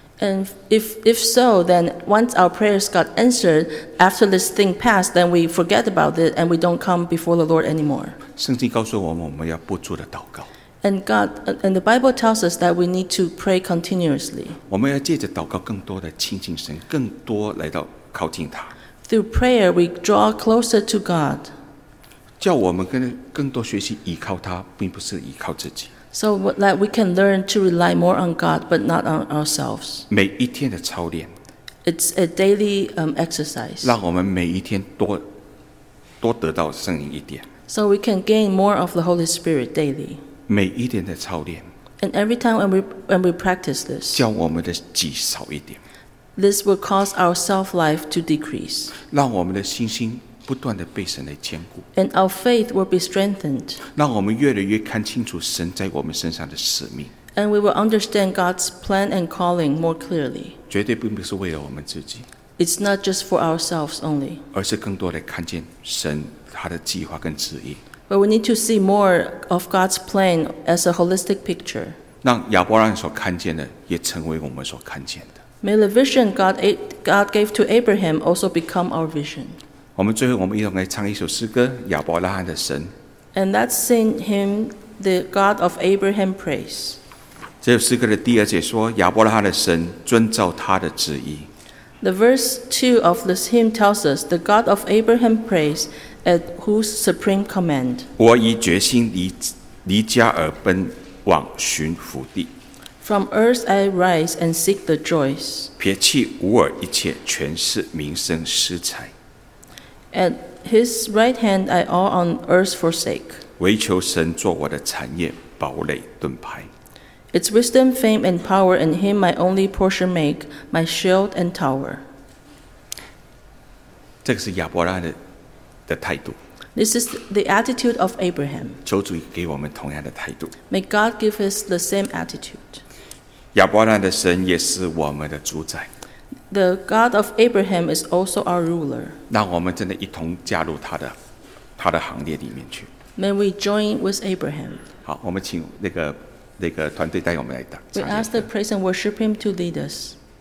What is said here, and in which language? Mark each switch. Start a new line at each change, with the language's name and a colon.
English: And if so, then once our prayers got answered, after this thing passed, then we forget about it and we don't come before the Lord anymore.
Chinese: 圣经告诉我们，我们要不住的祷告。
English: And God and the Bible tells us that we need to pray continuously.
Chinese: 我们要借着祷告更多的亲近神，更多来到靠近他。
English: Through prayer, we draw closer to God.
Chinese: 叫我们更多学习依靠他，并不是依靠自己。
English: So that we can learn to rely more on God, but not on ourselves.
Chinese: 每一天的操练
English: It's a daily exercise.
Chinese: 让我们每一天多得到圣灵一点
English: So we can gain more of the Holy Spirit daily.
Chinese: 每一天的操练
English: And every time when we practice this,
Chinese: 叫我们的己少一点
English: This will cause our self-life to decrease.
Chinese: 让我们的信心不断地被神来坚固。
English: And our faith will be strengthened.
Chinese: 让我们越来越看清楚神在我们身上的使命。
English: And we will understand God's plan and calling more clearly.
Chinese: 绝对并不是为了我们自己。
English: It's not just for ourselves only.
Chinese: 而是更多地看见神他的计划跟旨意。
English: But we need to see more of God's plan as a holistic picture.
Chinese: 让亚伯拉罕所看见的也成为我们所看见的。
English: May the vision God gave to Abraham also become our vision.
Chinese: 我们最后我们一同来唱一首诗歌，亚伯拉罕的神。
English: And let's sing him the God of Abraham praise.
Chinese: 这首诗歌的第二节说，亚伯拉罕的神遵照他的旨意。
English: The verse 2 of this hymn tells us, the God of Abraham praise at whose supreme command.
Chinese: 我已决心离家而奔往寻福地。
English: From earth I rise and seek the joys.
Chinese: 撇弃无耳一切权势名声私财。
English: At his right hand I all on earth forsake.
Chinese: 唯求神做我的产业堡垒盾牌。
English: It's wisdom, fame and power and him my only portion make, my shield and tower.
Chinese: 这个是亚伯拉罕的态度。
English: This is the attitude of Abraham.
Chinese: 求主给我们同样的态度。
English: May God give us the same attitude.
Chinese: 亚伯拉罕的神也是我们的主宰。
English: The God of Abraham is also our ruler.
Chinese: 让我们真的一同加入他的行列里面去。
English: May we join with Abraham.
Chinese: 好，我们请那个团队带我们来唱。
English: We ask the praise and worship him to lead us.